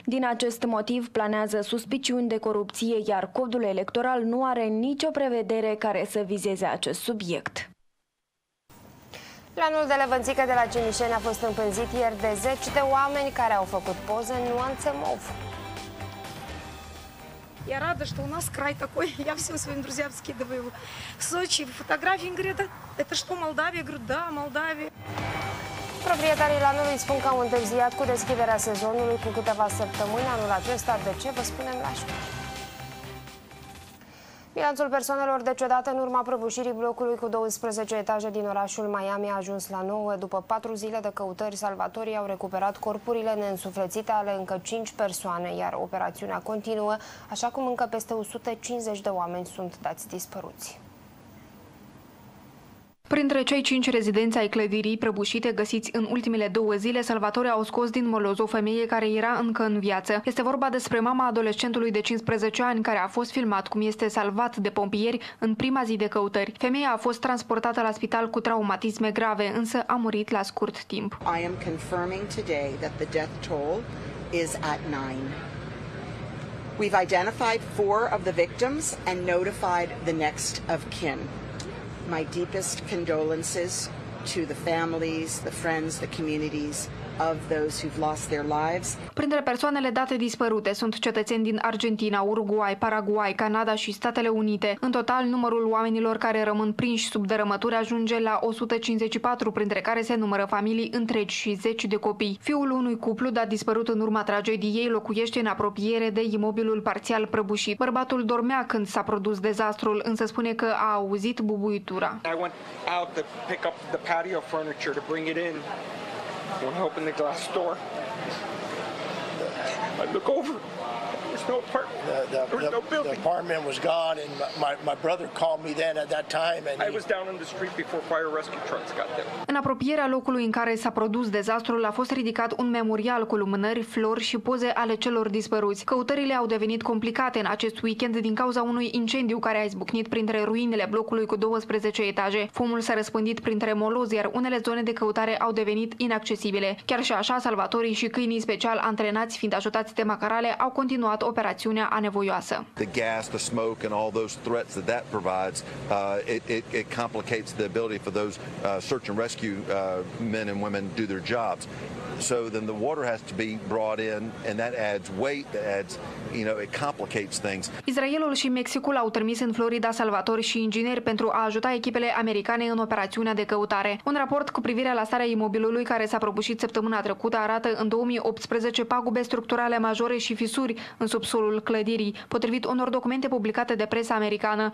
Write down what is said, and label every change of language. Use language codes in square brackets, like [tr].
[ro] Din acest motiv, planează suspiciuni de corupție, iar codul electoral nu are nicio prevedere care să vizeze acest subiect. Planul de levănțică de la Cimișeni a fost împânzit ieri de zeci de oameni care au făcut poze în nuanțe mov. [ru] Я рада, что у нас край такой. Я всем своим друзьям скидываю его. В Сочи фотографии, говорят, это что, Молдавия? Я говорю, да, Молдавия. [ro] Proprietarii lanului spun că au întârziat cu deschiderea sezonului cu câteva săptămâni anul acesta. De ce? Vă spunem la știri. Bilanțul persoanelor decedate în urma prăbușirii blocului cu 12 etaje din orașul Miami a ajuns la 9. După 4 zile de căutări, salvatorii au recuperat corpurile neînsuflețite ale încă 5 persoane, iar operațiunea continuă, așa cum încă peste 150 de oameni sunt dați dispăruți. Printre cei 5 rezidenți ai clădirii prăbușite găsiți în ultimele 2 zile, salvatorii au scos din moloz o femeie care era încă în viață. Este vorba despre mama adolescentului de 15 ani care a fost filmat cum este salvat de pompieri în prima zi de căutări. Femeia a fost transportată la spital cu traumatisme grave, însă a murit la scurt timp. [en] I am confirming today that the death toll is at 9. We've identified 4 of the victims and notified the next of kin. My deepest condolences to the families, the friends, the communities of those who've lost their lives. [ro] Printre persoanele date dispărute sunt cetățeni din Argentina, Uruguay, Paraguay, Canada și Statele Unite. În total, numărul oamenilor care rămân prinși sub dărâmături ajunge la 154, printre care se numără familii întregi și zeci de copii. Fiul unui cuplu dat dispărut în urma tragediei locuiește în apropiere de imobilul parțial prăbușit. Bărbatul dormea când s-a produs dezastrul, însă spune că a auzit bubuitura. [en] I went out to pick up the patio furniture to bring it in. When I opened the glass door, I look over. There's no apartment. There's no building. The apartment was gone, and my brother called me then at that time. And I was down in the street before fire rescue trucks got there. [ro] În apropierea locului în care s-a produs dezastrul, a fost ridicat un memorial cu lumânări, flori și poze ale celor dispăruți. Căutările au devenit complicate în acest weekend din cauza unui incendiu care a izbucnit printre ruinele blocului cu 12 etaje. Fumul s-a răspândit printre moloz, iar unele zone de căutare au devenit inaccesibile. Chiar și așa, salvatorii și câinii special antrenați fiind ajutați de macarale au continuat operațiunea anevoioasă. [en] The gas, the smoke and all those threats that that provides, it complicates the ability for those search and rescue men and women do their jobs. So then the water has to be brought in and that adds weight, that adds, you know, it complicates things. [ro] Israelul și Mexicul au trimis în Florida salvatori și ingineri pentru a ajuta echipele americane în operațiunea de căutare. Un raport cu privire la starea imobilului care s-a prăbușit săptămâna trecută arată în 2018 pagube structurale majore și fisuri în subsolul clădirii, potrivit unor documente publicate de presa americană.